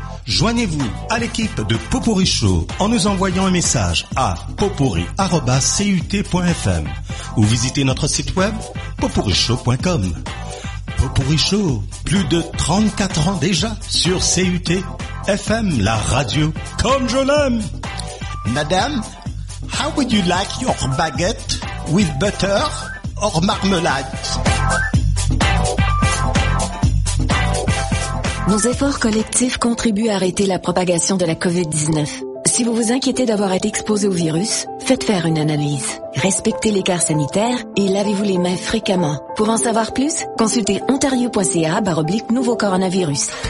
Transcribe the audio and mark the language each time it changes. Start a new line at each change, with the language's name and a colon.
French: Joignez-vous à l'équipe de Potpourri Show en nous envoyant un message à potpourri@cut.fm ou visitez notre site web potpourrishow.com. Potpourri Show, plus de 34 ans déjà sur CUT FM, la radio comme je l'aime.
English: Madame, how would you like your baguette with butter or marmalade?
French: Nos efforts collectifs contribuent à arrêter la propagation de la COVID-19. Si vous vous inquiétez d'avoir été exposé au virus, faites faire une analyse. Respectez l'écart sanitaire et lavez-vous les mains fréquemment. Pour en savoir plus, consultez ontario.ca/nouveau coronavirus.